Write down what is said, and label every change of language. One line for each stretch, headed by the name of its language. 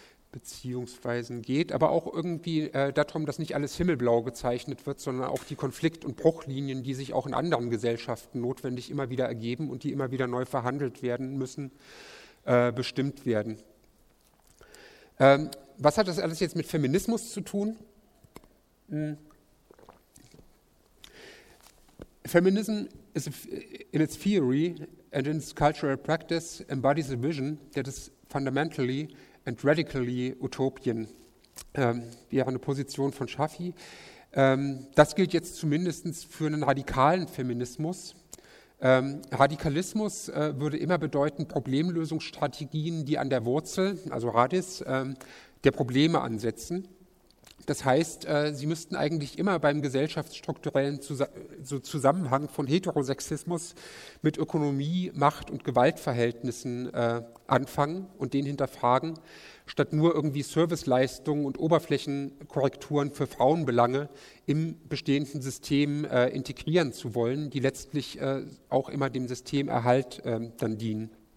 German: Beziehungsweisen geht, aber auch irgendwie darum, dass nicht alles himmelblau gezeichnet wird, sondern auch die Konflikt- und Bruchlinien, die sich auch in anderen Gesellschaften notwendig immer wieder ergeben und die immer wieder neu verhandelt werden müssen, bestimmt werden. Was hat das alles jetzt mit Feminismus zu tun?
English: Feminism is in its theory and in its cultural practice embodies a vision that is fundamentally and radically utopian,
German: wäre eine Position von Shafi. Das gilt jetzt zumindest für einen radikalen Feminismus. Radikalismus würde immer bedeuten, Problemlösungsstrategien, die an der Wurzel, also Radis, der Probleme ansetzen. Das heißt, sie müssten eigentlich immer beim gesellschaftsstrukturellen Zusammenhang von Heterosexismus mit Ökonomie, Macht und Gewaltverhältnissen anfangen und den hinterfragen, statt nur irgendwie Serviceleistungen und Oberflächenkorrekturen für Frauenbelange im bestehenden System integrieren zu wollen, die letztlich auch immer dem Systemerhalt dann dienen.